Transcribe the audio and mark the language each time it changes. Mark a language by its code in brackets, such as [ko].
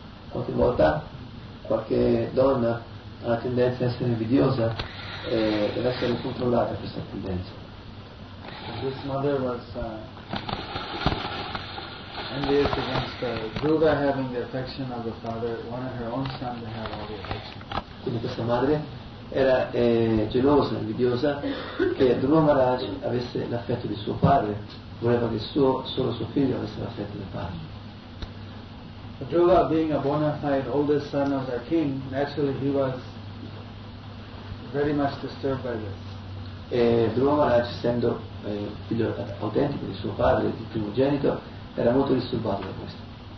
[it] Qualche volta qualche donna ha la tendenza a essere invidiosa e deve essere controllata questa tendenza. [en] This mother was envious against Dhruva having the affection of the father, wanted her own son to have all the affection. [it] Quindi questa madre era gelosa, invidiosa che Dhruva Maharaj avesse l'affetto di suo padre, voleva che solo suo figlio avesse l'affetto del padre. [en] Dhruva, being a bona fide oldest son of the king, naturally he was very much disturbed by this. [it] Dhruva Maharaj, essendo figlio autentico di suo padre, di primogenito, era molto disturbato da questo.